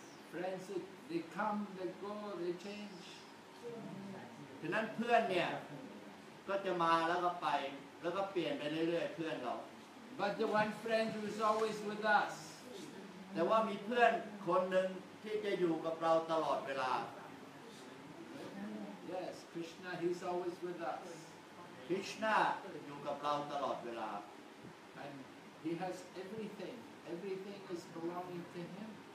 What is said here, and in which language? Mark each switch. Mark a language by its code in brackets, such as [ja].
[en] Friends they come they go they change [th] ฉะนั้นเพื่อนเนี่ยก็จะมาแล้วก็ไปแล้วก็เปลี่ยนไปเรื่อยๆเพื่อนเรา [en] But the one friend who is always with us [th] แต่ว่ามีเพื่อนคนหนึ่งที่จะอยู่กับเราตลอดเวลา [en] Yes, Krishna, he's always with us. [th] Krishna อยู่กับเราตลอดเวลา [en] And he has everything. Everything is belonging to him.